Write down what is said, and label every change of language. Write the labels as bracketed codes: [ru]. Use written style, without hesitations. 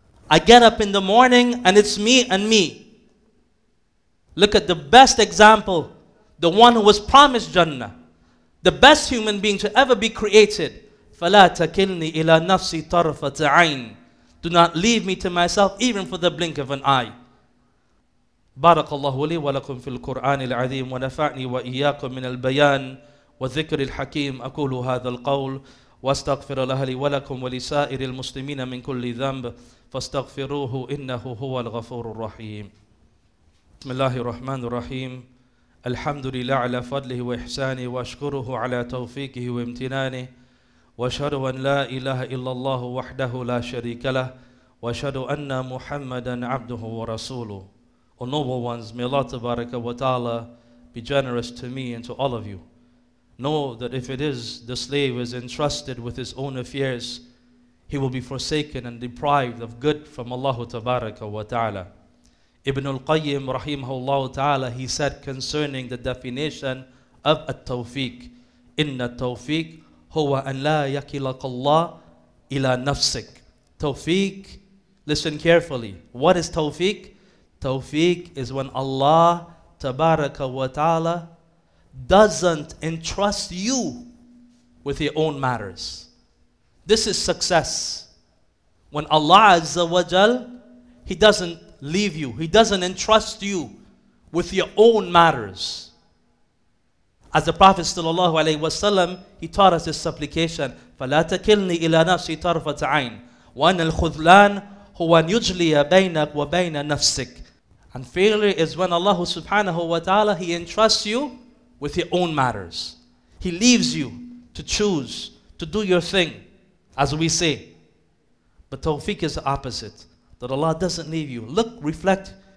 [en] I get up in the morning and it's me and me. Look at the best example, the one who was promised Jannah, the best human being to ever be created. [ar] فَلَا تَكِلْنِي إِلَى نَفْسِي طَرْفَةَ عَيْنِ. [en] Do not leave me to myself even for the blink of an eye. [ar] بارك الله لي ولكم في القرآن العظيم ونفعني وإياكم من البيان وذكر الحكيم أقول هذا القول واستغفر لأهلي ولكم ولسائر المسلمين من كل ذنب فاستغفروه إنه هو الغفور الرحيم. بسم الله الرحمن الرحيم. الحمد لله على فضله وإحسانه وأشكره على توفيقه وامتنانه وأشهد أن لا إله إلا الله وحده لا شريك له وأشهد أن محمدا عبده ورسوله. [en] O noble ones, may Allah tabaraka wa ta'ala be generous to me and to all of you. Know that if it is the slave is entrusted with his own affairs, he will be forsaken and deprived of good from Allah tabaraka wa ta'ala. Ibn al-Qayyim rahimahullah ta'ala, he said concerning the definition of at-tawfiq, [ar] inna at-tawfiq huwa an la yakilaka Allah ila nafsik. [en] Tawfiq, listen carefully, what is tawfiq? Tawfiq is when Allah tabaraka wa ta'ala doesn't entrust you with your own matters. This is success. When Allah azza wa jal, he doesn't leave you, he doesn't entrust you with your own matters. As the Prophet sallallahu alayhi wa sallam, he taught us this supplication, [ar] فَلَا تَكِلْنِي إِلَى نَفْسِي طَرْفَةَ عَيْنِ وَأَنَّ الْخُذْلَانَ هُوَ أَنْ يُجْلِيَ بَيْنَكَ وَبَيْنَ نَفْسِكَ. [en] And failure is when Allah subhanahu wa ta'ala, he entrusts you with your own matters. He leaves you to choose, to do your thing, as we say. But tawfiq is the opposite, that Allah doesn't leave you. Look, reflect.